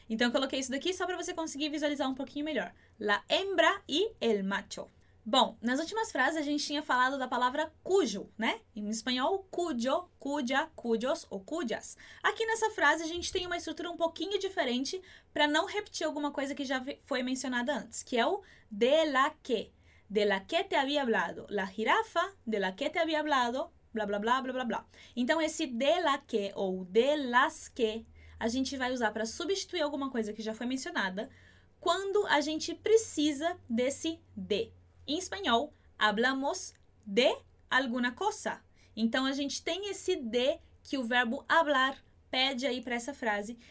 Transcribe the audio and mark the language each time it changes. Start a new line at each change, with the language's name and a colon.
Portuguese: Então, eu coloquei isso daqui só para você conseguir visualizar um pouquinho melhor.
Spanish: La hembra y el macho.
Portuguese: Bom, nas últimas frases a gente tinha falado da palavra cujo, né? Em espanhol, cujo, cuja, cujos ou cujas. Aqui nessa frase a gente tem uma estrutura um pouquinho diferente para não repetir alguma coisa que já foi mencionada antes, que é o de la que.
Spanish: De la que te había hablado. La jirafa, de la que te había hablado, blá, blá, blá, blá, blá, blá.
Portuguese: Então esse de la que ou de las que a gente vai usar para substituir alguma coisa que já foi mencionada quando a gente precisa desse de.
Spanish: Em espanhol, hablamos de alguna cosa.
Portuguese: Então, a gente tem esse de que o verbo hablar pede aí para essa frase.